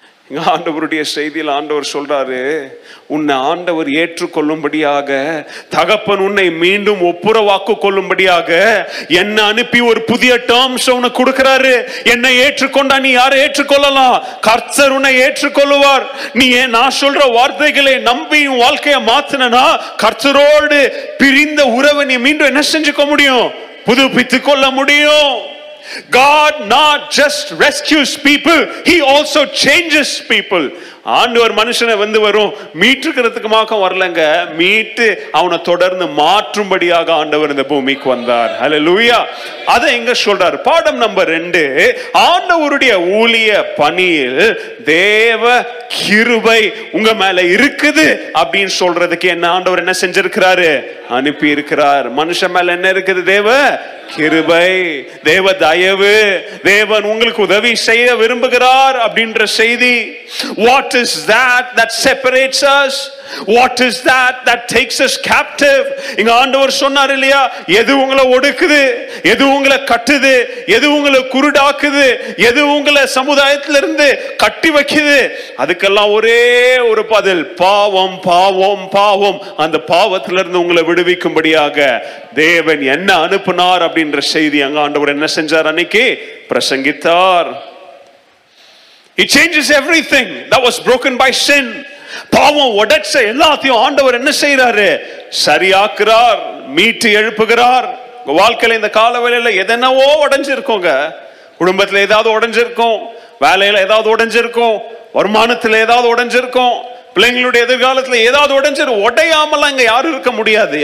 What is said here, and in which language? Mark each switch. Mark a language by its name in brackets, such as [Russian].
[Tamil] இங்கே ஆண்டவருடைய செய்தியில் ஆண்டவர் சொல்றாரு, உன்னை ஆண்டவர் ஏற்றுக்கொள்ளும்படியாக, தகப்பன் உன்னை மீண்டும் ஒப்புரவாக்கு கொள்ளும்படியாக என்னை அனுப்பி ஒரு புதிய டேர்ம்ஸ் உனக்கு கொடுக்கிறாரு. என்னை ஏற்றுக்கொண்டா நீ யாரை ஏற்றுக்கொள்ளலாம், கர்த்தர் உன்னை ஏற்றுக்கொள்ளுவார். நீ ஏன் நான் சொல்ற வார்த்தைகளை நம்பி உன் வாழ்க்கையை மாத்தினா கர்த்தரோடு பிரிந்த உறவை நீ மீண்டும் என்ன செஞ்சுக்க முடியும், புதுப்பித்து கொள்ள முடியும். [English] God not just rescues people, he also changes people. [Tamil] ஆண்டவர் மனுஷனை வந்து வரும் மீட்டுக்கிறதுக்கு மாக்கம் வரலங்க, மீட்டு அவனை தொடர்ந்து மாற்றும்படியாக ஆண்டவர் இந்த பூமிக்கு வந்தார். ஹல்லேலூயா. அதை எங்க சொல்றார், பாடம் நம்பர் 2, ஆண்டவருடைய ஊழிய பணியில் தேவ கிருபை உங்க மேல இருக்குது அப்படின்னு சொல்றதுக்கு என்ன ஆண்டவர் என்ன செஞ்சிருக்கிறாரு, அனுப்பி இருக்கிறார். மனுஷன் மேல என்ன இருக்குது, தேவ கிருபை, தேவ தயவு, தேவன் உங்களுக்கு உதவி செய்ய விரும்புகிறார் அப்படின்ற செய்தி. [English] What is that that separates us? What is that that takes us captive? [Tamil] இங்க ஆண்டவர் சொன்னார் இல்லையா, எது உங்களை ஒடுக்குது, எது உங்களை கட்டுது, எது உங்களை குருடாக்குது, எது உங்களை சமுதாயத்திலிருந்து கட்டி வைக்குது, அதுக்கெல்லாம் ஒரே ஒரு பதில், பாவம், பாவம், பாவம். அந்த பாவத்திலிருந்து உங்களை விடுவிக்கும்படியாக தேவன் என்ன அனுப்பினார் அப்படின்ற செய்தி அங்க ஆண்டவர் என்ன செஞ்சார், அன்னைக்கு பிரசங்கித்தார். [English] He changes everything that was broken by sin. [Tamil] பாவம் உடைச்ச எல்லாத்தையும் ஆண்டவர் என்ன செய்யறாரு, சரியாக்குறார், மீட்டு எழுப்புகிறார். வாழ்க்கையில இந்த காலவேளையில எதனவோ உடைஞ்சிருக்கோங்க, குடும்பத்துல ஏதாவது உடைஞ்சிருக்கும், வேலையில ஏதாவது உடைஞ்சிருக்கும், வருமானத்துல ஏதாவது உடைஞ்சிருக்கும், பிள்ளைங்களுடைய எதிர்காலத்துல ஏதாவது உடைஞ்சிரு, உடையாமலாம் இங்க யாரும் இருக்க முடியாது.